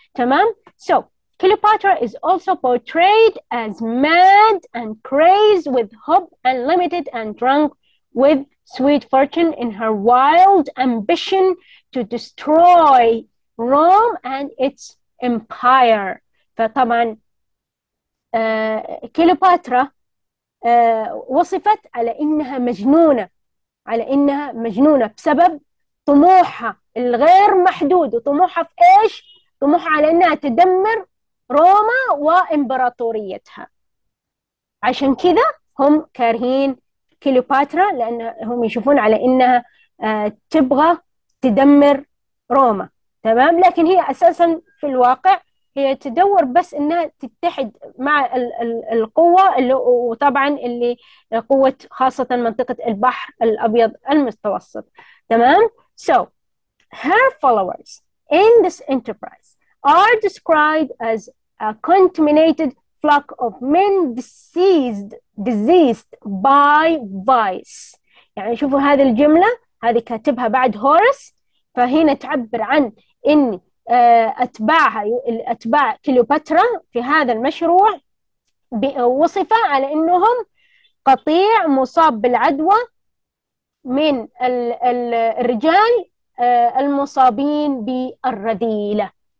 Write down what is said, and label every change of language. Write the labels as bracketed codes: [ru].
[en] تمام؟ So Cleopatra is also portrayed as mad and crazed with hope unlimited and drunk with sweet fortune in her wild ambition to destroy Rome and its empire. [ar] فطبعا كليوباترا وصفت على إنها مجنونة، على إنها مجنونة بسبب طموحها الغير محدود، وطموحها في إيش؟ طموحها على إنها تدمر روما وإمبراطوريتها. عشان كذا هم كارهين كليوباترا، لأنهم يشوفون على إنها تبغى تدمر روما. تمام؟ لكن هي أساسا في الواقع هي تدور بس إنها تتحد مع القوة اللي، وطبعا اللي قوة خاصة منطقة البحر الأبيض المتوسط. [en] تمام؟ So her followers in this enterprise are described as a contaminated flock of men diseased by vice. [ar] يعني شوفوا هذه الجملة، هذه كاتبها بعد هورس، فهنا تعبر عن إن أتباعها، أتباع كليوباترا في هذا المشروع وصف على إنهم قطيع مصاب بالعدوى من الرجال المصابين بالرذيلة.